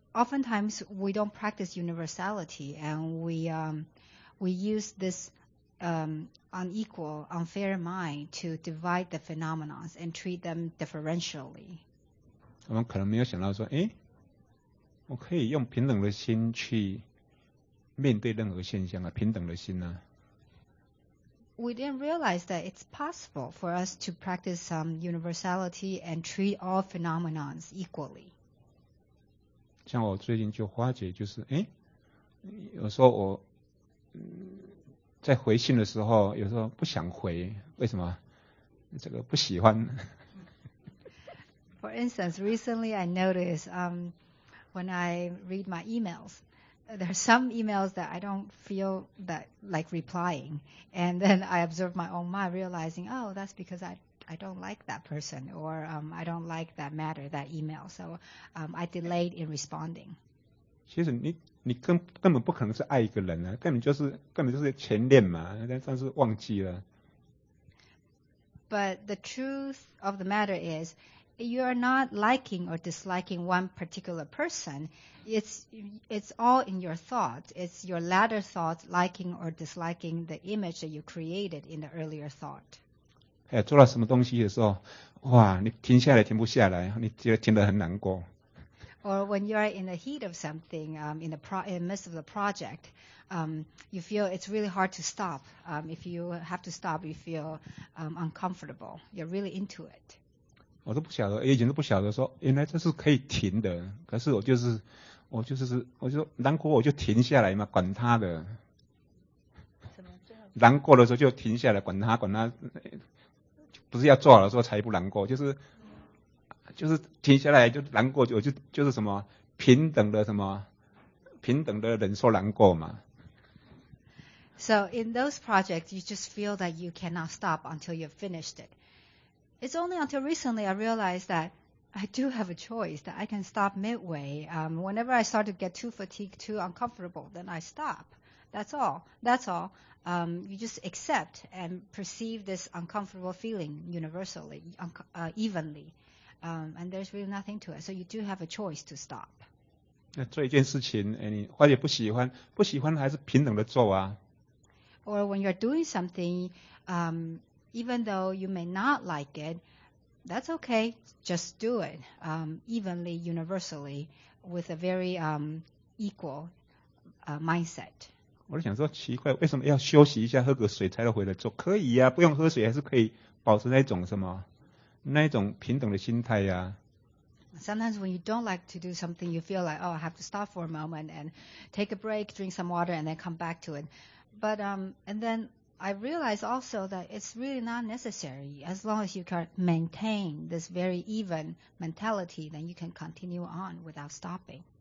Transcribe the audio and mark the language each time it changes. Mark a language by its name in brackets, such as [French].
[English] oftentimes we don't practice universality, and we use this unequal, unfair mind to divide the phenomena and treat them differentially. [Chinese] 我们可能没有想到说，哎，我可以用平等的心去面对任何现象啊，平等的心呢、啊。 [English] We didn't realize that it's possible for us to practice some universality and treat all phenomena equally. [Chinese] 像我最近就发觉，就是哎，有时候我在回信的时候，有时候不想回，为什么？这个不喜欢。 [English] For instance, recently I noticed, when I read my emails. There are some emails that I don't feel that like replying. And then I observe my own mind realizing, oh, that's because I don't like that person or I don't like that matter, that email. So I delayed in responding. [Chinese] 其实你根本不可能是爱一个人啊，根本就是前恋嘛，但是忘记了。 [English] But the truth of the matter is,You are not liking or disliking one particular person. It's all in your thoughts. It's your latter thoughts liking or disliking the image that you created in the earlier thought. [Chinese] 做了什么东西的时候，哇，你停下来停不下来，你停得很难过。 [English] Or when you are in the heat of something, in the midst of the project, you feel it's really hard to stop. If you have to stop, you feel uncomfortable. You're really into it. [Chinese] 我都不晓得，以前都不晓得说，原来这是可以停的。可是我就难过，我就停下来嘛，管他的。难过的时候就停下来，管他，不是要做好的时候才不难过，就是停下来就难过，就是什么平等的什么平等的忍受难过嘛。 [English] So in those projects, you just feel that you cannot stop until you've finished it. It's only until recently I realized that I do have a choice, that I can stop midway. Whenever I start to get too fatigued, too uncomfortable, then I stop. That's all. You just accept and perceive this uncomfortable feeling universally, evenly. And there's really nothing to it. So you do have a choice to stop. [Chinese] 做一件事情，你或者不喜欢还是平等的做啊。 [English] Or when you're doing something, even though you may not like it, that's okay. Just do it evenly, universally, with a very equal mindset. [Chinese] 我想说奇怪，为什么要休息一下，喝个水才能回来做？可以啊，不用喝水还是可以保持那种什么，那种平等的心态啊。 [English] Sometimes when you don't like to do something, you feel like, oh, I have to stop for a moment and take a break, drink some water, and then come back to it. But, and then... I realize also that it's really not necessary. As long as you can maintain this very even mentality, then you can continue on without stopping.